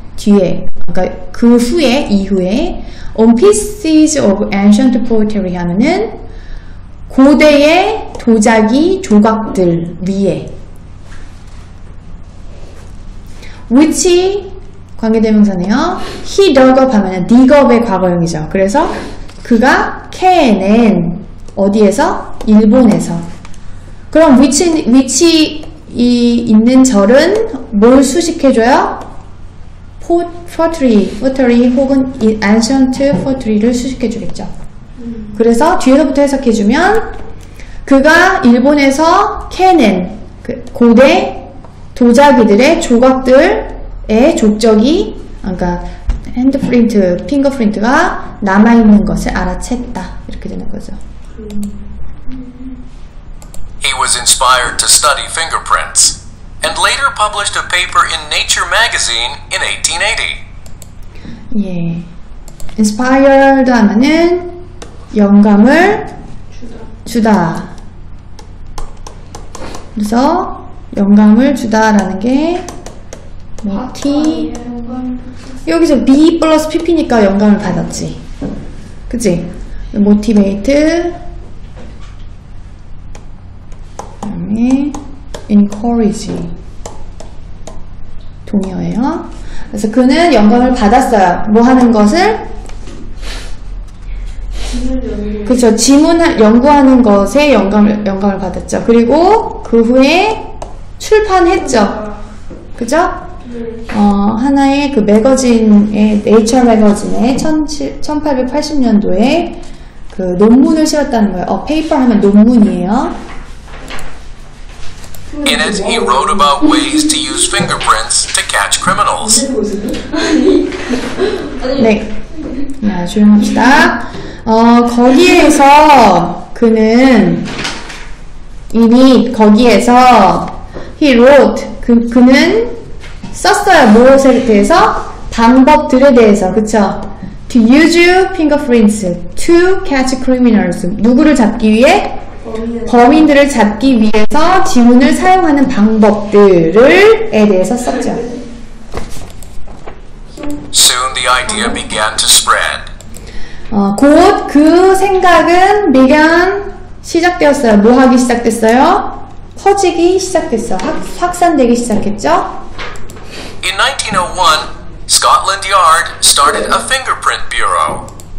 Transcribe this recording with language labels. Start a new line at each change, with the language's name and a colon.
Korean: 뒤에, 그러니까 그 후에, 이후에
English: on pieces of ancient pottery
Korean: 하면은 고대의 도자기 조각들 위에 which 관계대명사네요.
English: He dug up
Korean: 하면 dig up의 과거형이죠. 그래서 그가 can은 어디에서? 일본에서. 그럼 위치 이 있는 절은 뭘 수식해줘요? pottery 혹은 ancient pottery를 수식해주겠죠. 그래서 뒤에서부터 해석해주면 그가 일본에서 캐낸 그 고대 도자기들의 조각들의 족적이 그러니까 핸드프린트, 핑거프린트가 남아있는 것을 알아챘다 이렇게 되는 거죠.
English: He was inspired to study fingerprints and later published a paper in Nature magazine in 1880.
Korean: 예, inspired 하면은 영감을 주다. 그래서 영감을 주다라는 게 마티 여기서 B 플러스 PP니까 영감을 받았지. 그치? motivate 다음에 encourage 동요예요. 그래서 그는 영감을 받았어요. 뭐 하는 것을? 그렇죠. 지문을 연구하는 것에 영감을 받았죠. 그리고 그 후에 출판했죠. 그죠? 어, 하나의 그 매거진의 네이처 매거진의 1880년도에 그 논문을 실었다는 거예요. 어, paper 하면 논문이에요.
English: In it, he wrote about ways to use fingerprints to catch criminals.
Korean: 네. 자, 조용합시다. 어, 거기에서 그는 이미 거기에서
English: he wrote
Korean: 그는 썼어요. 무엇에 대해서? 방법들에 대해서. 그쵸?
English: To use fingerprints to catch criminals.
Korean: 누구를 잡기 위해? 범인들을 잡기 위해서 지문을 사용하는 방법들을에 대해서 썼죠.
English: Soon the idea began to spread.
Korean: 어, 곧 그 생각은 began 시작되었어요. 뭐 하기 시작됐어요? 퍼지기 시작됐어. 확산되기 시작했죠?
English: In 1901, Scotland Yard started a fingerprint bureau.